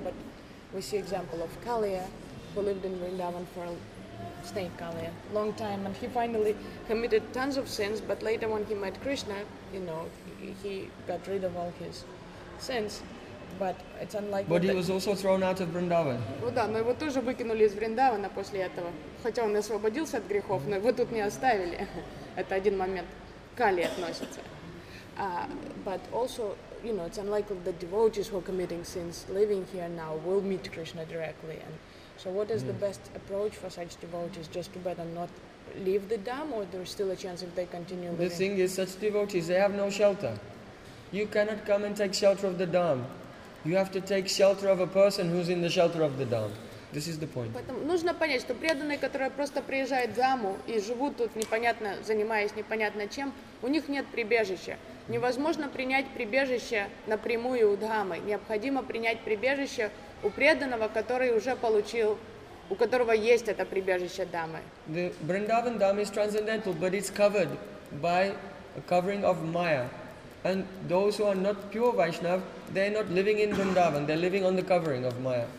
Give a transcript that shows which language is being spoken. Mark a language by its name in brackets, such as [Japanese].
[English] But we see example of Kaliya, who lived in Vrindavan for a snake Kaliya, long time, and he finally committed tons of sins. But later, when he met Krishna, you know, he got rid of all his sins. But it's unlikely. But he was also thrown out of Vrindavan. [Russian] Well, да, но его тоже выкинули из Вриндавана после этого. Хотя он освободился от грехов, но его тут не оставили. Это один момент. Кали относится. [English] But also, you know, it's unlikely that devotees who are committing sins living here now will meet Krishna directly. And so what is the best approach for such devotees? Just to better not leave the dham, or there's still a chance if they continue living? The thing is, such devotees, they have no shelter. You cannot come and take shelter of the dham. You have to take shelter of a person who's in the shelter of the dham. This is the point. [Russian] Поэтому нужно понять, что преданные, которые просто приезжают в даму и живут тут непонятно, занимаясь непонятно чем, у них нет прибежища. Невозможно принять прибежище напрямую у дхамы. Необходимо принять прибежище у преданного, который уже получил, у которого есть это прибежище дамы. [English] The Vrindavan dham is transcendental, but it's covered by a covering of maya. And those who are not pure Vaishnav, they're not living in Vrindavan, they're living on the covering of Maya.